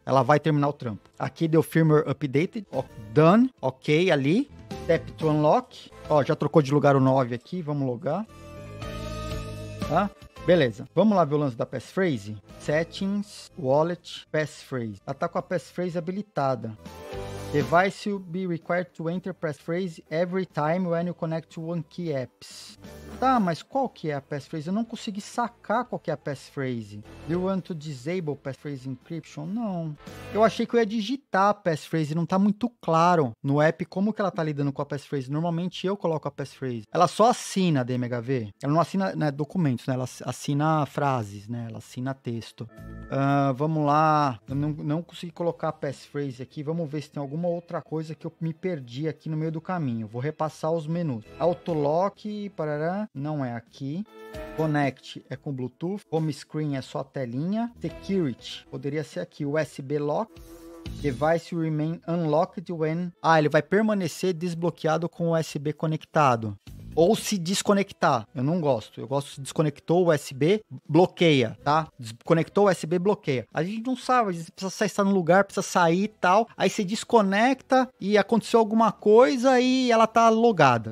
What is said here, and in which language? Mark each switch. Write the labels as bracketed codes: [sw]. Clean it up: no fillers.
[pt] Ela vai terminar o trampo. Aqui deu [en] firmware updated. Done. [pt] Ok, ali. [en] Tap to unlock. [pt] Ó, já trocou de lugar o 9 aqui. Vamos logar. Tá? Beleza. Vamos lá ver o lance da passphrase? Settings, wallet, passphrase. Ela tá com a passphrase habilitada. [en] Device will be required to enter passphrase every time when you connect to OneKey apps. [pt] Tá, mas qual que é a passphrase? Eu não consegui sacar qual que é a passphrase. [en] Do you want to disable passphrase encryption? [pt] Não. Eu achei que eu ia digitar a passphrase. Não tá muito claro no app como que ela tá lidando com a passphrase. Normalmente eu coloco a passphrase. Ela só assina a DMHV. Ela não assina, né, documentos, né? Ela assina frases, né? Ela assina texto. Vamos lá. Eu não consegui colocar a passphrase aqui. Vamos ver se tem alguma outra coisa que eu me perdi aqui no meio do caminho. Vou repassar os menus. Autolock, parará. Não é aqui. Connect é com Bluetooth. Home screen é só a telinha. Security poderia ser aqui. [en] USB lock. Device remain unlocked when... [pt] Ah, ele vai permanecer desbloqueado com o USB conectado. Ou se desconectar. Eu não gosto. Eu gosto se desconectou o USB, bloqueia, tá? Desconectou o USB, bloqueia. A gente não sabe, a gente precisa estar no lugar, precisa sair e tal. Aí você desconecta e aconteceu alguma coisa e ela tá logada.